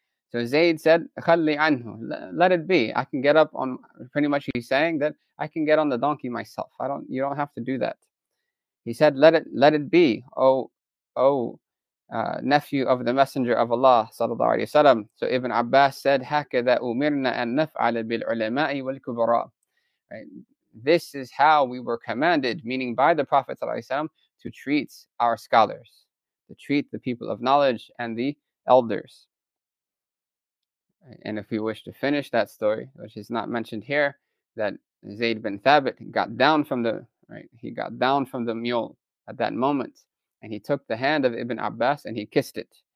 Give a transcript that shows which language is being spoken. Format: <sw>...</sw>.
<en>So Zayd said,</en> <ar>خَلِّ عَنْهُ,</ar> <en>let it be. I can get up on, pretty much he's saying that I can get on the donkey myself. You don't have to do that. He said, let it be, O nephew of the Messenger of Allah, sallallahu alayhi wa sallam. So Ibn Abbas said,</en> <ar>هَكَذَا أُمِرْنَا أَن نَفْعَلَ بِالْعُلَمَاءِ وَالْكُبَرَاءِ,</ar> <en>right? This is how we were commanded, meaning by the Prophet, sallallahu alayhi wa sallam, to treat our scholars, to treat the people of knowledge and the elders. And if we wish to finish that story, which is not mentioned here, that Zayd bin Thabit got down from the, right, he got down from the mule at that moment, and he took the hand of Ibn Abbas and he kissed it.</en>